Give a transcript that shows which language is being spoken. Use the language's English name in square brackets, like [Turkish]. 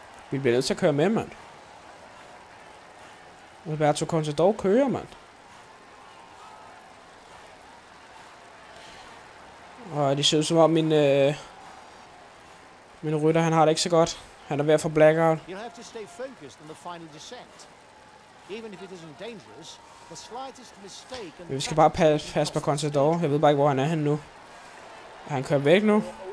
[Danish] Vi bliver nødt til at køre med, mand. Alberto Contador kører, mand. Og det ser ud som om min Min rytter, han har det ikke så godt. Han er ved at få blackout. [English] You'll have to stay focused on the final descent. Even if it isn't dangerous, the slightest mistake. [Danish] Men vi skal bare passe på Contador. Jeg ved bare ikke, hvor han er henne nu. Er han kørt væk nu?